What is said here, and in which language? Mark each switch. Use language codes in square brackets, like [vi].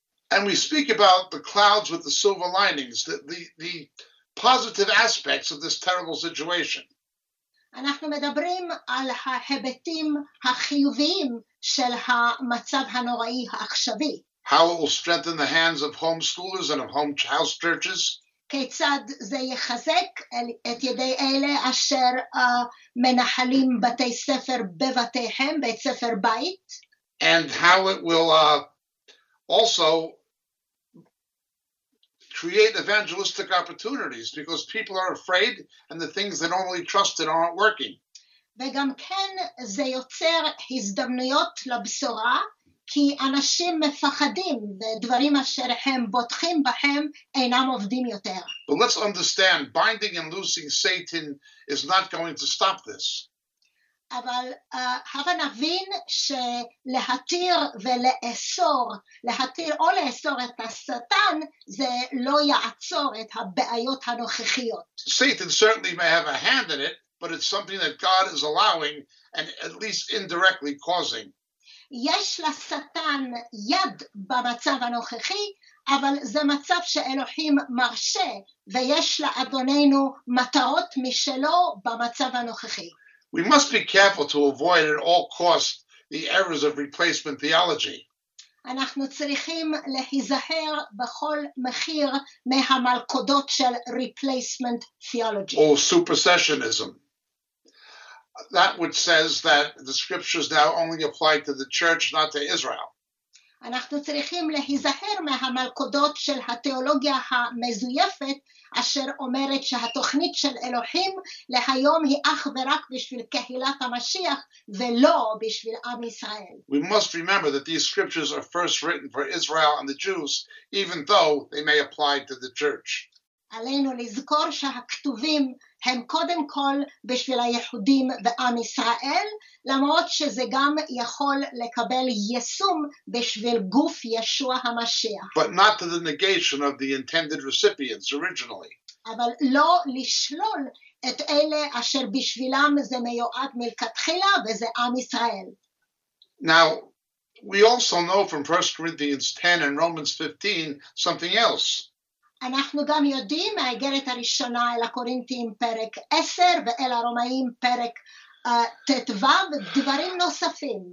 [en] And we speak about the clouds with the silver linings, the positive aspects of this terrible situation. [he] אנחנו מדברים על ההיבטים החיוביים של המצב הנוראי העכשווי. [en] How it will strengthen the hands of homeschoolers and of home house churches. [he] כיצד זה יחזק את ידי אלה אשר מנהלים בתי ספר בבתיהם, בית ספר בית. [en] And how it will also create evangelistic opportunities, because people are afraid and the things they normally trusted aren't working. [he] וגם כן זה יוצר הזדמנויות לבשורה, כי אנשים מפחדים ודברים אשר הם בוטחים בהם אינם עובדים יותר. [en] But let's understand, binding and loosing Satan is not going to stop this. [he] אבל הבה נבין שלהתיר ולאסור, להתיר או לאסור את השטן, זה לא יעצור את הבעיות הנוכחיות. [en] Satan certainly may have a hand in it, but it's something that God is allowing and at least indirectly causing. [he] יש לשטן יד במצב הנוכחי, אבל זה מצב שאלוהים מרשה ויש לאדוננו מטעות משלו במצב הנוכחי. [en] We must be careful to avoid at all costs the errors of replacement theology. [he] אנחנו צריכים להיזהר בכל מחיר מהמלכודות של [en] replacement theology. Or supersessionism. That which says that the scriptures now only apply to the church, not to Israel. [he] אנחנו צריכים להיזהר מהמלכודות של התיאולוגיה המזויפת אשר אומרת שהתוכנית של אלוהים להיום היא אך ורק בשביל קהילת המשיח ולא בשביל עם ישראל. [en] We must remember that these scriptures are first written for Israel and the Jews, even though they may apply to the church. [he] עלינו לזכור שהכתובים הם קודם כל בשביל היהודים ועם ישראל, למרות שזה גם יכול לקבל יישום בשביל גוף ישוע המשיח. [en] But not to the negation of the intended recipients originally. [he] אבל לא לשלול את אלה אשר בשבילם זה מיועד מלכתחילה וזה עם ישראל. [en] Now, we also know from 1 Corinthians 10 and Romans 15 something else. [he] אנחנו גם יודעים מהאיגרת הראשונה אל הקורינתים פרק 10 ואל הרומאים פרק ט"ו דברים נוספים.